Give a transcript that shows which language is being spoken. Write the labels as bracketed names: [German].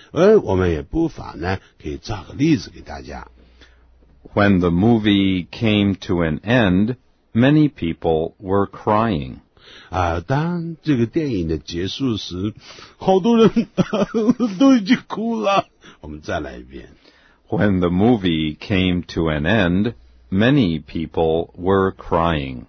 [Chinese] 而我们也不妨呢，可以造个例子给大家。 [English] When the movie came to an end, many people were crying. [Chinese] 啊，当这个电影的结束时，好多人都已经哭了。我们再来一遍。 [English] When the movie came to an end, many people were crying.